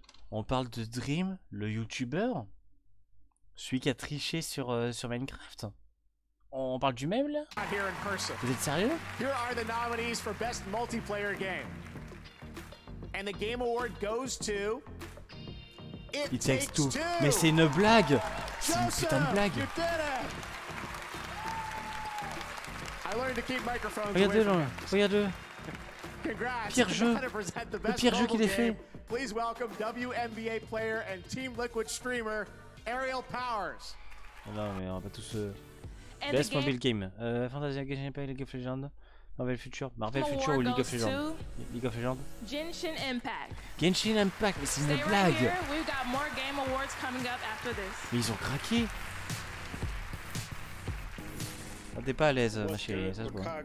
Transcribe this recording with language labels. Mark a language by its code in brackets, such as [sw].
[fr] On parle de Dream, le YouTuber, celui qui a triché sur sur Minecraft. On parle du même là? [en] Here in person. [fr] Vous êtes sérieux? [en] Here are the nominees for Best Multiplayer Game. And the game award goes to [fr] It Takes Two. Mais c'est une blague. C'est une putain de blague. [en] You did it. I learned to keep microphones. [fr] Regardez là. Regardez. [en] Congrats. [fr] Pire jeu. Le pire jeu qu'il ait fait. [en] Please welcome WNBA player and Team Liquid streamer Ariel Powers. [fr] Non mais on va tous Best Mobile Game. Fantasy Gameplay League of Legends. Marvel Future, Marvel Future ou League of Legends? League of Legends. Genshin Impact. Genshin Impact, mais c'est une blague. [en] We've got more game awards coming up after this. [fr] Mais ils ont craqué. Ah, t'es pas à l'aise, ma chérie, ça se voit.